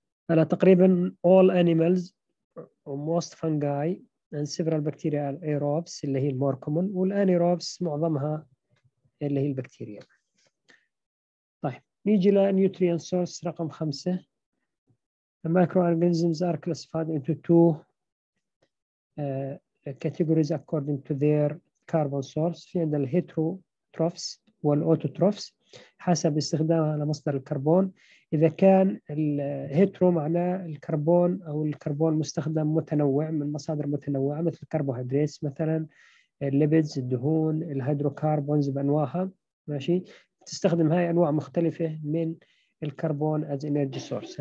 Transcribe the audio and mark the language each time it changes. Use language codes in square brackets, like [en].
[ar] على تقريبا [en] all animals most fungi and several bacterial aerobes [ar] اللي هي المور كومون، والانيروبس معظمها اللي هي البكتيريا. طيب نيجي لنيوتريان سورس رقم 5. [en] The microorganisms are classified into two categories according to their carbon source. [ar] في عندنا الهيتروتروفس والاوتوتروفس حسب استخدامها لمصدر الكربون. إذا كان الهيترو معناه الكربون أو الكربون مستخدم متنوع من مصادر متنوعة مثل الكربوهيدرات مثلا، الليبيدز، الدهون، الهيدروكربونز بأنواعها، ماشي، تستخدم هاي أنواع مختلفة من الكربون [en] as energy source.